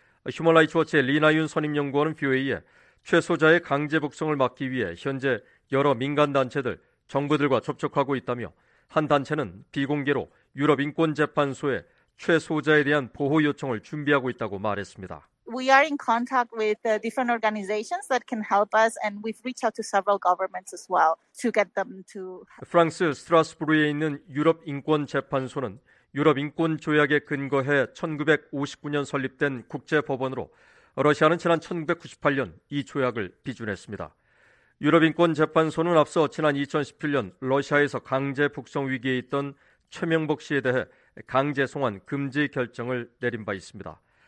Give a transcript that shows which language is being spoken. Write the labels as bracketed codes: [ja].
[ko] 휴먼라이츠워치의 리나윤 선임연구원은 BOA에 최 소자의 강제 북송을 막기 위해 현재 여러 민간단체들, 정부들과 접촉하고 있다며 한 단체는 비공개로 유럽인권재판소에 최 소자에 대한 보호 요청을 준비하고 있다고 말했습니다. [en] We are in contact with different organizations that can help us, and we've reached out to several governments as well to get them to. [ko] 프랑스 스트라스부르에 있는 유럽 인권 재판소는 유럽 인권 조약에 근거해 1959년 설립된 국제 법원으로 러시아는 지난 1998년 이 조약을 비준했습니다. 유럽 인권 재판소는 앞서 지난 2017년 러시아에서 강제 북송 위기에 있던 최명복 씨에 대해 강제 송환 금지 결정을 내린 바 있습니다.